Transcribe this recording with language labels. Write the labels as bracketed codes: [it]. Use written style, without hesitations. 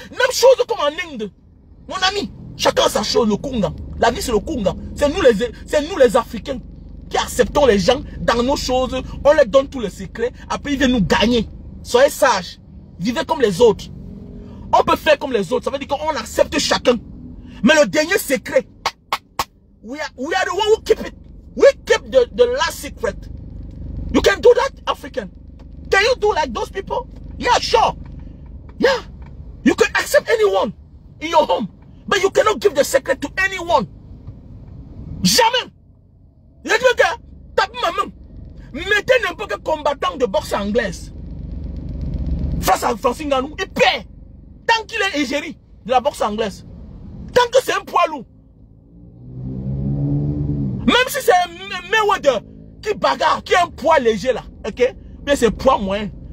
[fr] Même chose comme en Inde. Mon ami, chacun sa chose, le Kunga. La vie, c'est le Kunga. C'est nous les Africains. Qui acceptons les gens dans nos choses, on leur donne tous les secrets, après ils viennent nous gagner. Soyez sages, vivez comme les autres. On peut faire comme les autres, ça veut dire qu'on accepte chacun. Mais le dernier secret, [en] we are the one who keep it. We keep the last secret. You can do that, African. Can you do like those people? Yeah, sure. Yeah. You can accept anyone in your home, but you cannot give the secret to anyone. [fr] Jamais. Je veux que tape ma main. Mettez n'importe quel combattant de boxe anglaise face à Francis Ngannou, il perd. Tant qu'il est égérie de la boxe anglaise, tant que c'est un poids lourd, même si c'est Mayweather qui bagarre, qui est un poids léger là, ok, mais c'est poids moyen.